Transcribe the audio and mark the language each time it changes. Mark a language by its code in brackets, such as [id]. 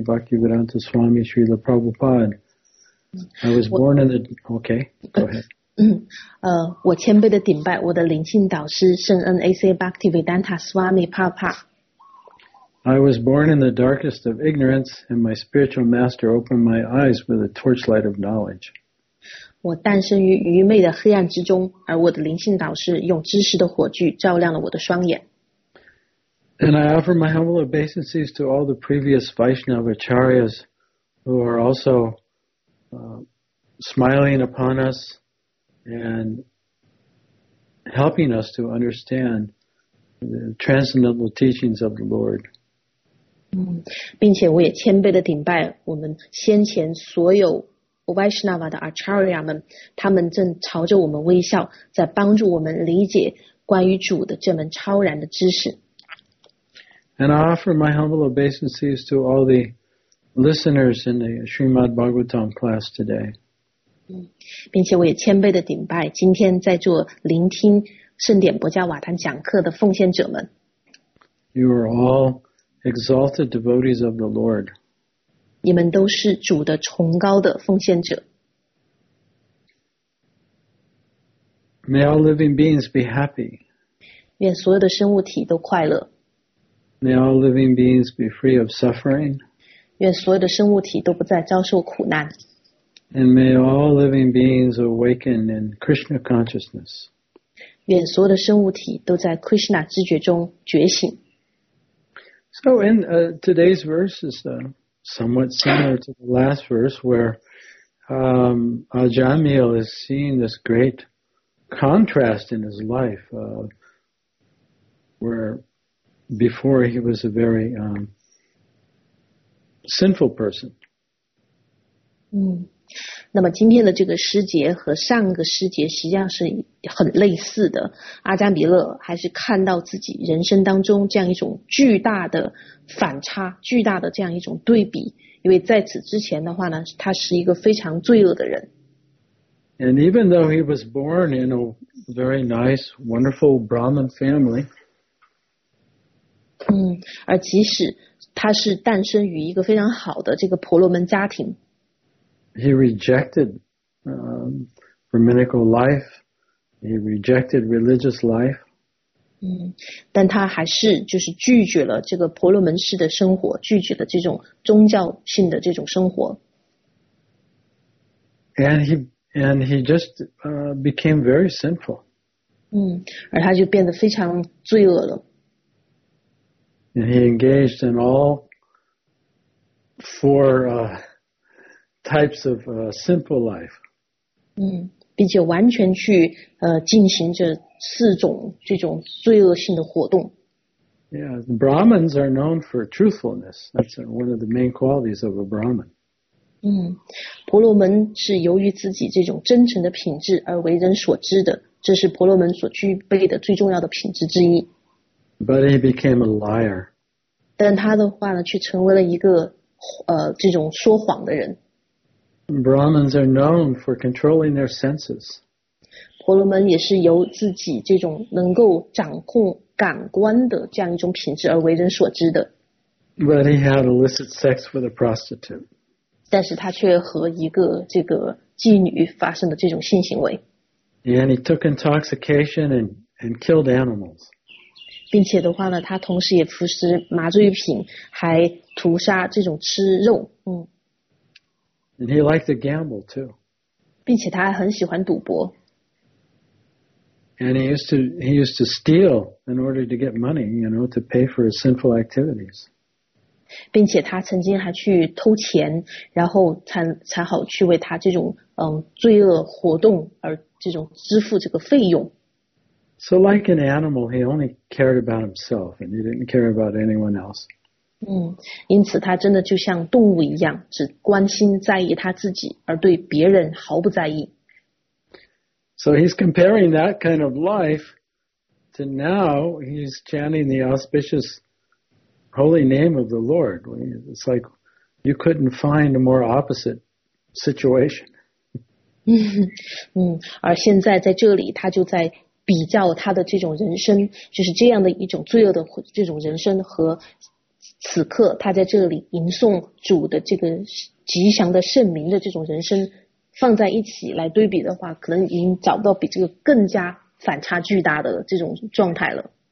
[en] Bhaktivedanta Swami Srila Prabhupada I was born in the... Okay, go ahead [zh] 我谦卑的顶拜我的灵性导师圣恩 AC Bhaktivedanta Swami Prabhupada。 [en] I was born in the darkest of ignorance, and my spiritual master opened my eyes with a torchlight of knowledge. [zh] 我诞生于愚昧的黑暗之中，而我的灵性导师用知识的火炬照亮了我的双眼。 [en] And I offer my humble obeisances to all the previous Vaishnava Acharyas who are also smiling upon us and helping us to understand the transcendental teachings of the Lord. [zh] 并且我也谦卑地顶拜我们先前所有 Vaishnava 的 Acharya 们，他们正朝着我们微笑，在帮助我们理解关于主的这门超然的知识。 [en] And I offer my humble obeisances to all the listeners in the Srimad Bhagavatam class today. [zh] 并且我也谦卑地顶拜今天在座聆听圣典博迦瓦坦讲课的奉献者们。 [en] You are all exalted devotees of the Lord. [zh] 你们都是主的崇高的奉献者。 [en] May all living beings be happy. [zh] 愿所有的生物体都快乐。 [en] May all living beings be free of suffering. [zh] 愿所有的生物体都不再遭受苦难。 [en] And may all living beings awaken in Krishna consciousness. [zh] 愿所有的生物体都在 Krishna 知觉中觉醒。 [en] So in today's verse is somewhat similar to the last verse where Ajamil is seeing this great contrast in his life where before he was a very sinful person. [zh] 那么今天的这个诗节和上个诗节实际上是很类似的，阿迦弥勒还是看到自己人生当中这样一种巨大的反差，巨大的这样一种对比，因为在此之前的话呢，他是一个非常罪恶的人。 [en] And even though he was born in a very nice, wonderful Brahmin family, [zh] 而即使他是诞生于一个非常好的这个婆罗门家庭， [en] He rejected brahminical life. He rejected religious life. [zh] 但他还是就是拒绝了这个婆罗门式的生活，拒绝了这种宗教性的这种生活。 [en] And he just became very sinful. [zh] 而他就变得非常罪恶了。 [en] And he engaged in all four types of simple life. [zh] 并且完全去进行着四种这种罪恶性的活动。 [en] Yeah, Brahmins are known for truthfulness. That's one of the main qualities of a Brahmin. [zh] 婆罗门是由于自己这种真诚的品质而为人所知的，这是婆罗门所具备的最重要的品质之一。 [en] But he became a liar. [zh] 但他的话呢，却成为了一个这种说谎的人。 [en] Brahmins are known for controlling their senses. [zh] 婆罗门也是由自己这种能够掌控感官的这样一种品质而为人所知的。 [en] But he had illicit sex with a prostitute. [zh] 但是他却和一个这个妓女发生了这种性行为。 [en] And he took intoxication and killed animals. [zh] 并且的话呢，他同时也服食麻醉品，还屠杀这种吃肉。 [en] And he liked to gamble too. [zh] 并且他还很喜欢赌博。 [en] And he used to steal in order to get money, you know, to pay for his sinful activities. [zh] 并且他曾经还去偷钱，然后才好去为他这种罪恶活动而这种支付这个费用。 [en] So like an animal, he only cared about himself, and he didn't care about anyone else. [zh] 因此他真的就像动物一样，只关心在意他自己，而对别人毫不在意。 [en] So he's comparing that kind of life to now he's chanting the auspicious holy name of the Lord. It's like you couldn't find a more opposite situation. [zh] 而现在在这里他就在比较他的这种人生，就是这样的一种罪恶的这种人生和此刻他在这里吟诵主的这个吉祥的圣名的这种人生放在一起来对比的话，可能已经找不到比这个更加反差巨大的这种状态了。